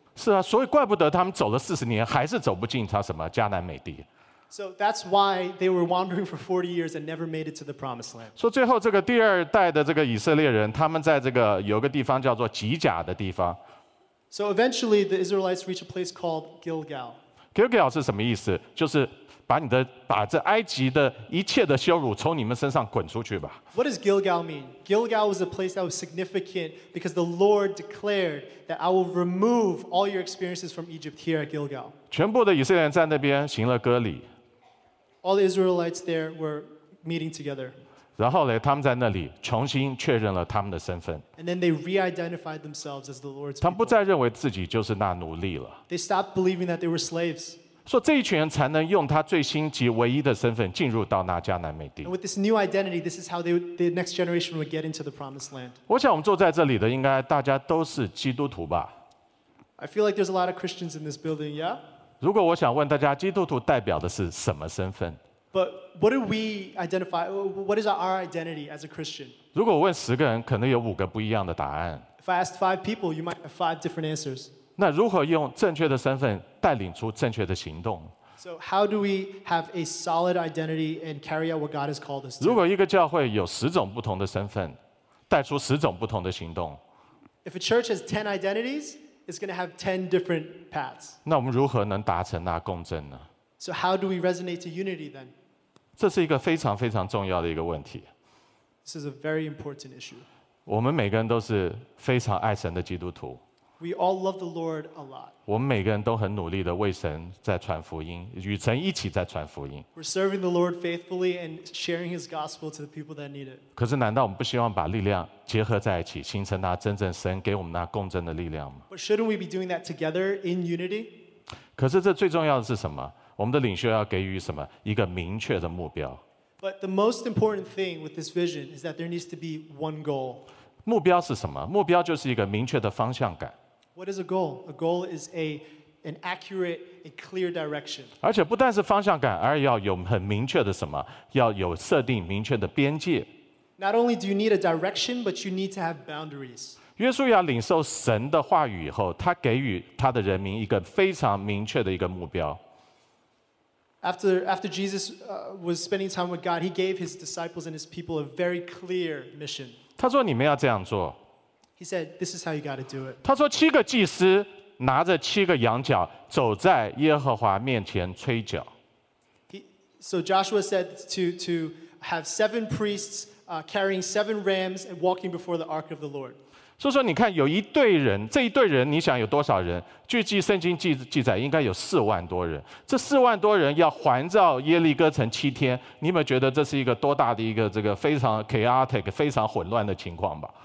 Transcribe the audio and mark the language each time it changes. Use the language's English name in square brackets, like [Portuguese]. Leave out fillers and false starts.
[Chinese] 是啊，所以怪不得他们走了四十年，还是走不进他什么迦南美地。 [English] So that's why they were wandering for 40 years and never made it to the promised land. [Chinese] 说最后这个第二代的这个以色列人，他们在这个有个地方叫做吉甲的地方。 [English] So eventually the Israelites reach a place called Gilgal. [Chinese] Gilgal 是什么意思？就是把这埃及的一切的羞辱从你们身上滚出去吧。 [English] What does Gilgal mean? Gilgal was a place that was significant because the Lord declared that I will remove all your experiences from Egypt here at Gilgal. [Chinese] 全部的以色列人在那边行了割礼。 [English] All the Israelites there were meeting together. [Chinese] 然后呢，他们在那里重新确认了他们的身份。 [English] And then they re-identified themselves as the Lord's people. [Chinese] 他们不再认为自己就是那奴隶了。 [English] They stopped believing that they were slaves. [Chinese] 说这一群人才能用他最新及唯一的身份进入到那迦南美地。 [English] With this new identity, this is how the next generation would get into the promised land. [Chinese] 我想我们坐在这里的应该大家都是基督徒吧。 [English] I feel like there's a lot of Christians in this building, yeah? [Chinese] 如果我想问大家，基督徒代表的是什么身份 [English] ？But what do we identify? What is our identity as a Christian? [Chinese] 如果我问十个人，可能有五个不一样的答案。 [English] If I asked five people, you might have five different answers. [Chinese] 那如何用正确的身份带领出正确的行动 [English] ？So how do we have a solid identity and carry out what God has called us to? [Chinese] 如果一个教会有十种不同的身份，带出十种不同的行动 [English] ？If a church has 10 identities, it's going to have 10 different paths. [Chinese] 那我们如何能达成那共振呢 [English] ？So how do we resonate to unity then? [Chinese] 这是一个非常非常重要的一个问题。 [English] This is a very important issue. [Chinese] 我们每个人都是非常爱神的基督徒。 [English] We all love the Lord a lot. [Chinese] 我们每个人都很努力地为神在传福音，与神一起在传福音。 [English] We're serving the Lord faithfully and sharing His gospel to the people that need it. [Chinese] 可是，难道我们不希望把力量结合在一起，形成那真正神给我们那共振的力量吗 [English] ？But shouldn't we be doing that together in unity? [Chinese] 可是，这最重要的是什么？我们的领袖要给予什么？一个明确的目标。 [English] But the most important thing with this vision is that there needs to be one goal. [Chinese] 目标是什么？目标就是一个明确的方向感。 [English] What is a goal? A goal is an accurate, a clear direction. [Chinese] 而且不但是方向感，而要有很明确的什么，要有设定明确的边界。 [English] Not only do you need a direction, but you need to have boundaries. [Chinese] 约书亚领受神的话语以后，他给予他的人民一个非常明确的一个目标。 [English] After Jesus was spending time with God, he gave his disciples and his people a very clear mission. [Chinese] 他说：“你们要这样做。” [English] He said, "This is how you got to do it." [Chinese] 他说七个祭司拿着七个羊角走在耶和华面前吹角。 [English] So Joshua said to have seven priests carrying seven rams and walking before the ark of the Lord. [Chinese] 所以说你看有一队人，这一队人你想有多少人？据记圣经记载应该有四万多人。这四万多人要环绕耶利哥城七天，你有没有觉得这是一个多大的一个这个非常 chaotic、非常混乱的情况吧？